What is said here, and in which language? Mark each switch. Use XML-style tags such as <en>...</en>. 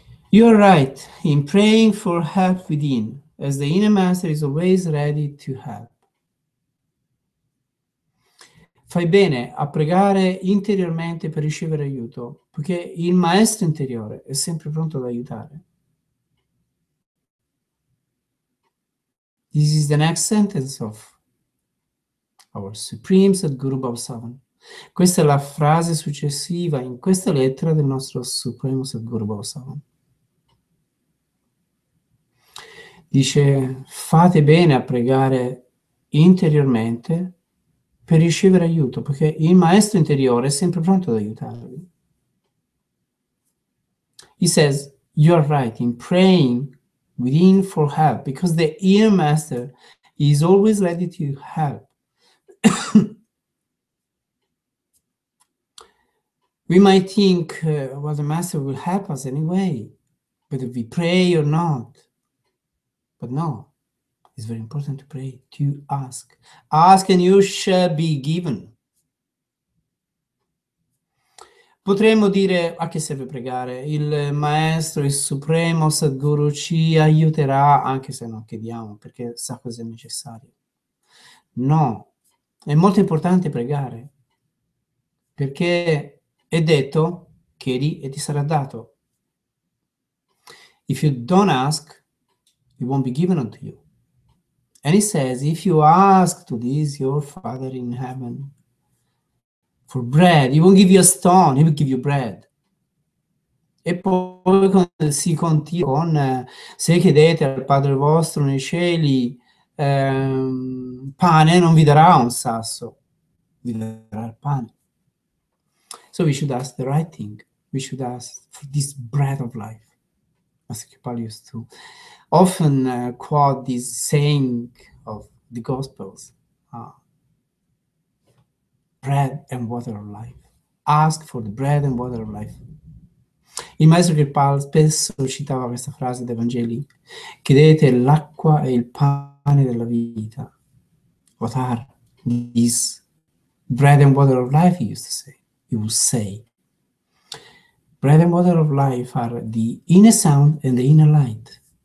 <en>You are right in praying for help within, as the inner master is always ready to help.</en> <it>Fai bene a pregare interiormente per ricevere aiuto, perché il maestro interiore è sempre pronto ad aiutare.</it> <en>This is the next sentence of our Supreme Satguru Bhavasavan.</en> <it>Questa è la frase successiva in questa lettera del nostro Supremo Satguru Bhavasavan. Dice, fate bene a pregare interiormente per ricevere aiuto, perché il maestro interiore è sempre pronto ad aiutarvi.</it> <en>He says, you are right in praying within for help, because the inner master is always ready to help. We might think, well, the master will help us anyway, whether we pray or not. But no, it's very important to pray, to ask. Ask and you shall be given.</en> <it>Potremmo dire, a che serve pregare? Il maestro, il supremo Sadguru ci aiuterà, anche se non chiediamo, perché sa cosa è necessario. No, è molto importante pregare, perché è detto, chiedi e ti sarà dato.</it> <en>If you don't ask, it won't be given unto you. And he says, if you ask to this your Father in heaven for bread, he won't give you a stone, he will give you bread.</en> <it>E poi si continua con, se chiedete al Padre vostro nei cieli pane, non vi darà un sasso, vi darà il pane.</it> <en>So we should ask the right thing. We should ask for this bread of life. As Kipal used to often quote this saying of the Gospels, bread and water of life. Ask for the bread and water of life.</en> <it>Il maestro Kipal spesso citava questa frase dei Vangeli, chiedete l'acqua e il pane della vita.</it> <en>What are these bread and water of life, he used to say. He would say. Bread and water of life are the inner sound and the inner light.</en>